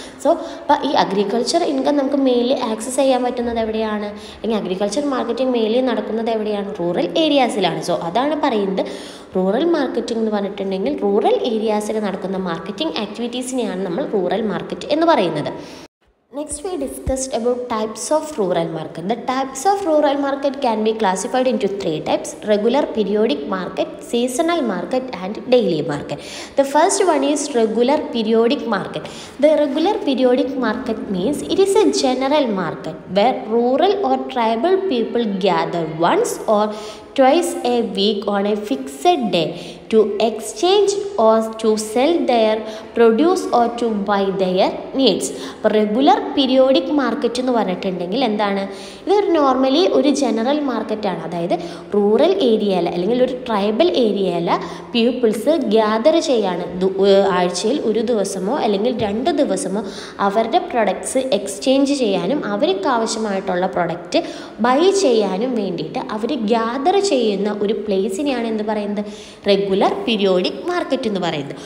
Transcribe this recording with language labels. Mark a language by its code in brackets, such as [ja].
[ml] So അപ്പം ഈ agriculture income നമുക്ക് മെയിൻലി ആക്സസ് ചെയ്യാൻ പറ്റുന്നത് എവിടെയാണ്, അല്ലെങ്കിൽ അഗ്രികൾച്ചർ മാർക്കറ്റിംഗ് മെയിൻലി നടക്കുന്നത് എവിടെയാണ്, റൂറൽ ഏരിയാസിലാണ്. സോ അതാണ് പറയുന്നത് റൂറൽ മാർക്കറ്റിംഗ് എന്ന് പറഞ്ഞിട്ടുണ്ടെങ്കിൽ റൂറൽ ഏരിയാസിൽ നടക്കുന്ന മാർക്കറ്റിംഗ് ആക്ടിവിറ്റീസിനെയാണ് നമ്മൾ റൂറൽ മാർക്കറ്റ് എന്ന് പറയുന്നത്. [en] Next we discussed about types of rural market. The types of rural market can be classified into three types: regular periodic market, seasonal market and daily market. The first one is regular periodic market. The regular periodic market means it is a general market where rural or tribal people gather once or twice a week on a fixed day to exchange or to sell their produce or to buy their needs. [ml] Regular periodic market എന്ന് പറഞ്ഞിട്ടുണ്ടെങ്കിൽ എന്താണ്, ഇതൊരു normally ഒരു general മാർക്കറ്റാണ്, അതായത് rural ഏരിയയിൽ അല്ലെങ്കിൽ ഒരു ട്രൈബൽ ഏരിയയിൽ പീപ്പിൾസ് ഗ്യാദർ ചെയ്യാണ്. ആഴ്ചയിൽ ഒരു ദിവസമോ അല്ലെങ്കിൽ രണ്ട് ദിവസമോ അവരുടെ പ്രൊഡക്ട്സ് എക്സ്ചേഞ്ച് ചെയ്യാനും അവർക്ക് ആവശ്യമായിട്ടുള്ള പ്രൊഡക്റ്റ് ബൈ ചെയ്യാനും വേണ്ടിയിട്ട് അവർ ഗ്യാദർ ചെയ്യുന്ന ഒരു പ്ലേസിനെയാണ് എന്ത് പറയുന്നത്, റെഗുലർ പീരിയോഡിക് മാർക്കറ്റ് എന്ന് പറയുന്നത്.